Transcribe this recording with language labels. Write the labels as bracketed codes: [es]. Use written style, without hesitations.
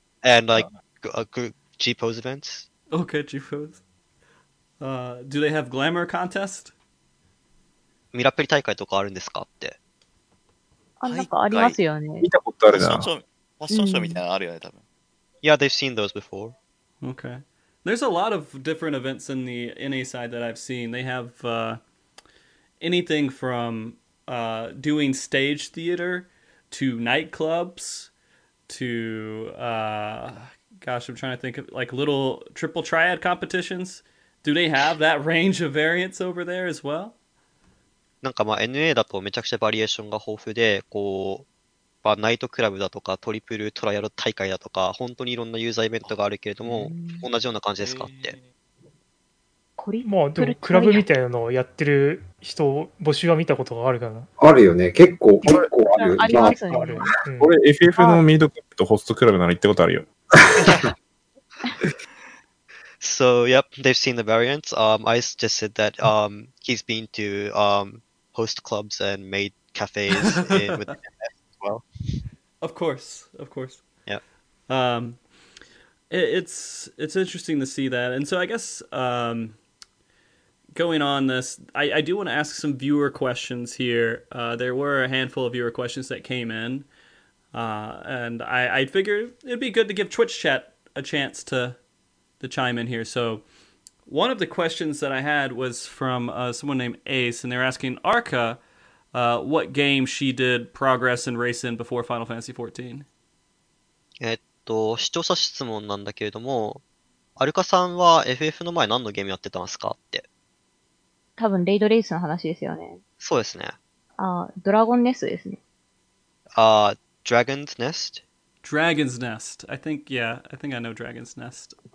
[en] And like,G-pose events. Okay, G-pose. Do they have glamour contest? [ja] ミラペリ大会とかあるんですかって。あ、なんかありますよね。見たことあるな。ファッションショーみたいなのあるよね、多分。 [en] Yeah, they've seen those before. Okay. There's a lot of different events in the NA side that I've seen. They have anything from doing stage theater to nightclubs to... Gosh, I'm trying to think of like little triple triad competitions. Do they have that range of variants over there as well? [ja] なんかまあ NA だとめちゃくちゃバリエーションが豊富で、こう、まあ、ナイトクラブだとかトリプルトライアル大会だとか、本当にいろんなユーザーイベントがあるけれども、同じような感じですかって。まあでもクラブみたいなのをやってる人募集は見たことがあるかな。あるよね、結構あるよ。あるよね。俺 FF のミードクラブとホストクラブなら行ったことあるよ。 [en] So yep, they've seen the variants. I just said that he's been to host clubs and made cafes with as well. Of course. Yeah. It's interesting to see that. And so I guess going on this, I do want to ask some viewer questions here. There were a handful of viewer questions that came in. And I figured it'd be good to give Twitch chat a chance to chime in here. So one of the questions that I had was from someone named Ace, and they're asking Arca what game she did progress and race in before Final Fantasy 14. [ja] 視聴者質問なんだけれども、アルカさんは FF の前何のゲームやってたんですかって。多分レイドレースの話ですよね。そうですね。あ、ドラゴンネストですね。 [en] あ、Dragon's Nest? Dragon's Nest. I think, yeah, I think I know Dragon's Nest.